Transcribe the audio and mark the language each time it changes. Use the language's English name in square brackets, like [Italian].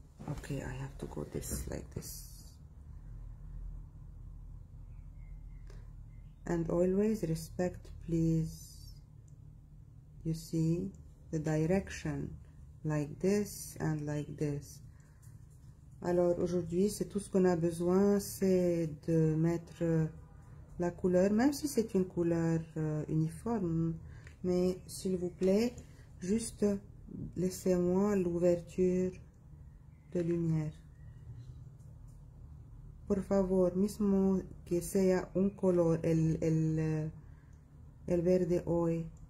[English] Okay, I have to go this like this. And always respect, please. You see the direction like this and like this. [French] Alors aujourd'hui, c'est tout ce qu'on a besoin, c'est de mettre la couleur, même si c'est une couleur uniforme. Mais s'il vous plaît, juste laissez-moi l'ouverture de lumière. [Spanish] Por favor, mismo que sea un color, el verde hoy.